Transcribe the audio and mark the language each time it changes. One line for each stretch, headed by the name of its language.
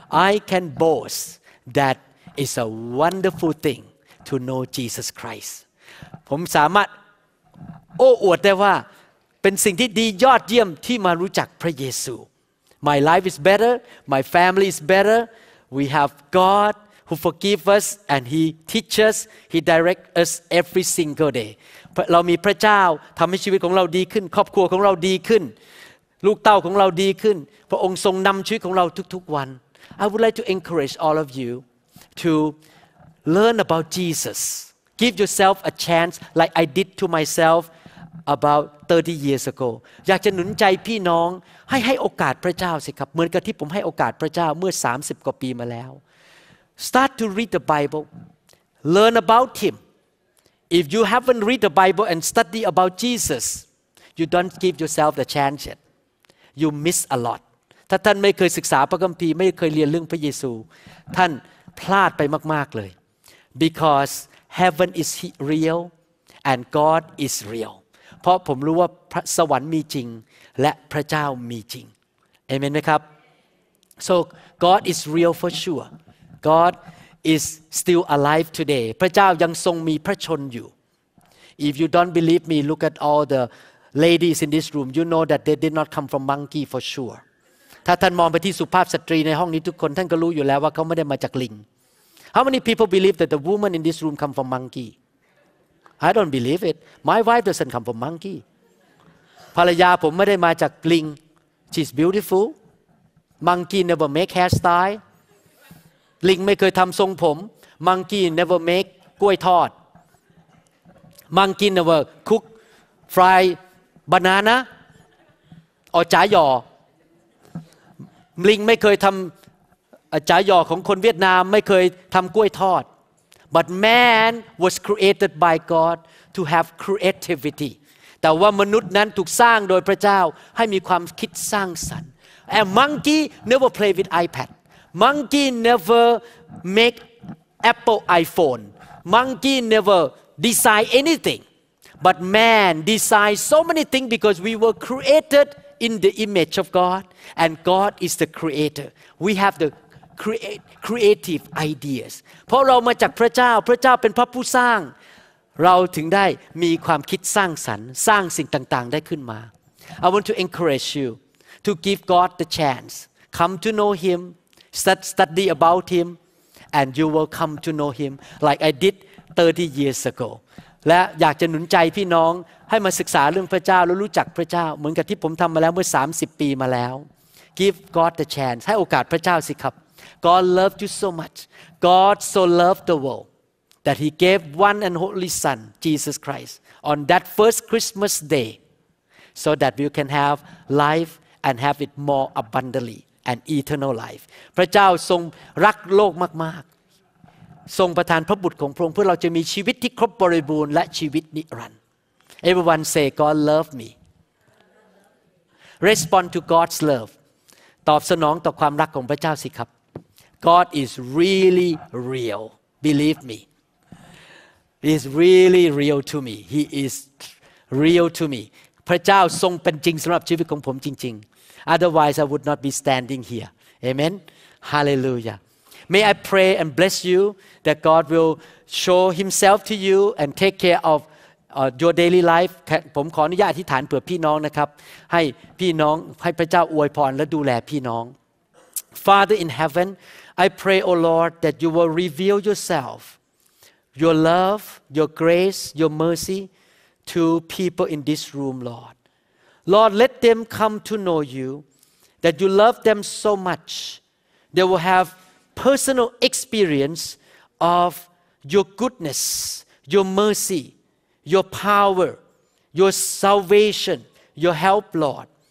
English: I can boast that it's a wonderful thing to know Jesus Christ
Thai: ผมสามารถโอ้อวดได้ว่าเป็นสิ่งที่ดียอดเยี่ยมที่มารู้จักพระเยซู
English: My life is better my family is betterWe have God who forgive us and He teach us, He direct us every single day.
Thai: เรามีพระเจ้าทำให้ชีวิตของเราดีขึ้นครอบครัวของเราดีขึ้นลูกเต้าของเราดีขึ้นพระองค์ทรงนำชีวิตของเราทุกๆวัน
English: I would like to encourage all of you to learn about Jesus. Give yourself a chance like I did to myself about 30 years ago.
Thai: อยากจะหนุนใจพี่น้องให้โอกาสพระเจ้าสิครับเหมือนกับที่ผมให้โอกาสพระเจ้าเมื่อ30กว่าปีมาแล้ว
English: Start to read the Bible. Learn about Him. If you haven't read the Bible and study about Jesus, you don't give yourself the chance yet. You miss a lot.
Thai: ถ้าท่านไม่เคยศึกษาพระคัมภีร์ไม่เคยเรียนเรื่องพระเยซูท่านพลาดไปมากๆเลย
English: Because heaven is real and God is real.
Thai: เพราะผมรู้ว่าพระสวรรค์มีจริงและพระเจ้ามีจริงเอเมนไหมครับ
English: So God is real for sure God is still alive today
Thai: พระเจ้ายังทรงมีพระชนอยู่
English: If you don't believe me look at all the ladies in this room you know that they did not come from monkey for sure
Thai: ถ้าท่านมองไปที่สุภาพสตรีในห้องนี้ทุกคนท่านก็รู้อยู่แล้วว่าเขาไม่ได้มาจากลิง
English: How many people believe that the woman in this room come from monkey I don't believe it. My wife doesn't come from monkey.
Thai: ภรรยาผมไม่ได้มาจากลิง
English: She's beautiful. Monkey never make hairstyle.
Thai: ลิงไม่เคยทำทรงผม
English: Monkey never make กล้วยทอด Monkey never cook fry banana.
Thai: Or จ๋าหยอลิงไม่เคยทำจ๋าหยอของคนเวียดนามไม่เคยทำกล้วยทอด
English: But man was created by God to have creativity.
Thai: แต่ว่ามนุษย์นั้นถูกสร้างโดยพระเจ้าให้มีความคิดสร้างสรรค์
English: And monkey never play with iPad. Monkey never make Apple iPhone. Monkey never design anything. But man designed so many things because we were created in the image of God. And God is the creator. We have the creative ideas
Thai: เพราะเรามาจากพระเจ้าพระเจ้าเป็นพระผู้สร้างเราถึงได้มีความคิดสร้างสรรค์สร้างสิ่งต่างๆได้ขึ้นมา
English: I want to encourage you to give God the chance come to know him study about him and you will come to know him like I did 30 years ago
Thai: และอยากจะหนุนใจพี่น้องให้มาศึกษาเรื่องพระเจ้าและรู้จักพระเจ้าเหมือนกับที่ผมทำมาแล้วเมื่อ30ปีมาแล้ว
English: give God the chance
Thai: ให้โอกาสพระเจ้าสิครับ
English: God loved you so much. God so loved the world that He gave one and only Son, Jesus Christ, on that first Christmas day so that we can have life and have it more abundantly and eternal life.
Thai: พระเจ้าทรงรักโลกมากๆทรงประทานพระบุตรของพระองค์เพื่อเราจะมีชีวิตที่ครบบริบูรณ์และชีวิตนิรันดร์
English: Everyone say, God love me. Respond to God's love.
Thai: ตอบสนองต่อความรักของพระเจ้าสิครับ
English: God is really real. Believe me. He is really real to me. He is real to me.
Thai: พระเจ้าทรงเป็นจริงสำหรับชีวิตของผมจริงๆ
English: Otherwise, I would not be standing here. Amen. Hallelujah. May I pray and bless you that God will show himself to you and take care ofyour daily life
Thai: ผมขออนุญาตอธิษฐานเผื่อพี่น้องนะครับให้พี่น้องให้พระเจ้าอวยพรและดูแลพี่น้อง
English: Father in heaven I pray O Lord that you will reveal yourself your love your grace your mercy to people in this room Lord Lord let them come to know you that you love them so much they will have personal experience of your goodness your mercyYour power, your salvation, your help, Lord.